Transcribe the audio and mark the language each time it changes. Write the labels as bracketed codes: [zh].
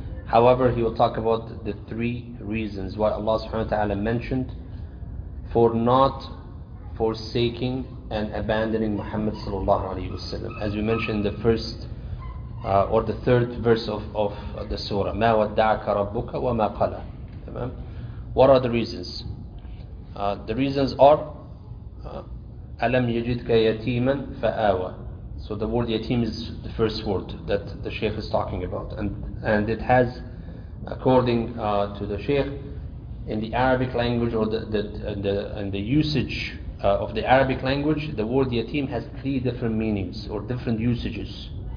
[en] However, he will talk about the three reasons why Allah subhanahu wa ta'ala mentioned for not forsaking and abandoning Muhammad sallallahu alayhi wa sallam, as we mentioned the first or the third verse of the surah: [ar] ما ودعك ربك وما قلى. [en] تمام. What are the reasons? The reasons are [ar] ألم يجدك يتيما فآوى. [en] So the word yatim is the first word that the Shaykh is talking about, and it has, according to the Shaykh, in the Arabic language or the usage of the Arabic language, the word yatim has three different meanings or different usages.